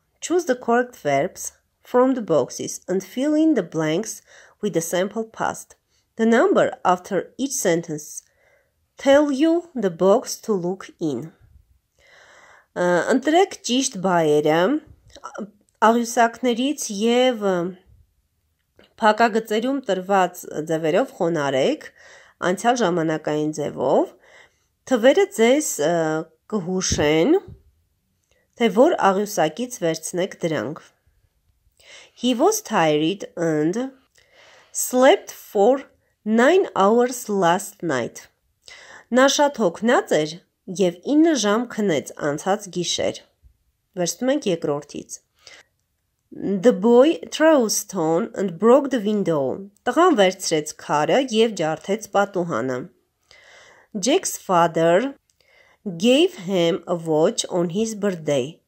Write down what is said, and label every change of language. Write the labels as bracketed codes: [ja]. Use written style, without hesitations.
[en] Choose the correct verbs from the boxes and fill in the blanks with the sample past. The number after each sentence tell you the box to look in. [hy] Ընտրեք ճիշտ բայերը աղյուսակներից և փակագծերում տրված ձևերով խոնարեք անցյալ ժամանակային ձևով, թվերը ձեզ կհուշեն, թե որ աղյուսակից վերցնեք դրանք. [en] He was tired and slept for 9 hours last night. [hy] Նա շատ հոգնած էր և 9 ժամ քնեց անցած գիշեր։ Վերցնում ենք երկրորդից։ [en] The boy trussed on and broke the window. [hy] Տղան վերցրեց քարը և ջարդեց պատուհանը։ [en] Jack's father gave him a watch on his birthday.